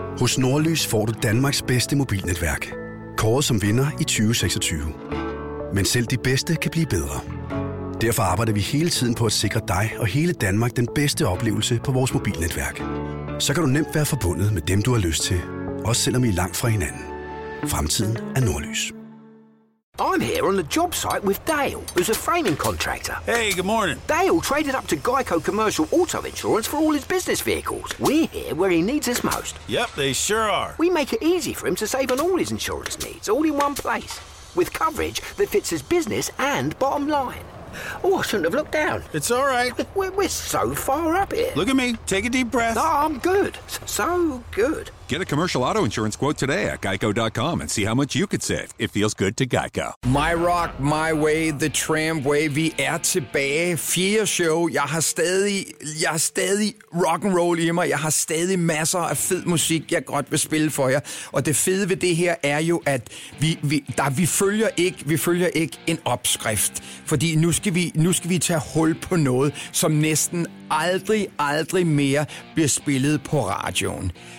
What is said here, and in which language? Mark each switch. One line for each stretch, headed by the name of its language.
Danish: Hos Nordlys får du Danmarks bedste mobilnetværk. Kåret som vinder i 2026. Men selv de bedste kan blive bedre. Derfor arbejder vi hele tiden på at sikre dig og hele Danmark den bedste oplevelse på vores mobilnetværk. Så kan du nemt være forbundet med dem, du har lyst til. Også selvom I er langt fra hinanden. Fremtiden er Nordlys.
English: I'm here on the job site with Dale, who's a framing contractor. Hey, good morning. Dale traded up to Geico Commercial Auto Insurance for all his business vehicles. We're here where he needs us most. Yep, they sure are. We make it easy for him to save on all his insurance needs, all in one place. With coverage that fits his business and bottom line. Oh, I shouldn't have looked down. It's all right. We're so far up here. Look at me. Take a deep breath. No, I'm good. So good. Get a commercial auto insurance quote today at geico.com and see how much you could save. It feels good to Geico. My Rock, My Way, The Tramway.
Danish: Vi er tilbage. Fire show. Jeg har stadig rock'n'roll i mig. Jeg har stadig masser af fed musik, jeg godt vil spille for jer. Og det fede ved det her er jo, at vi følger ikke en opskrift. Fordi nu skal vi tage hul på noget, som næsten aldrig mere bliver spillet på radioen.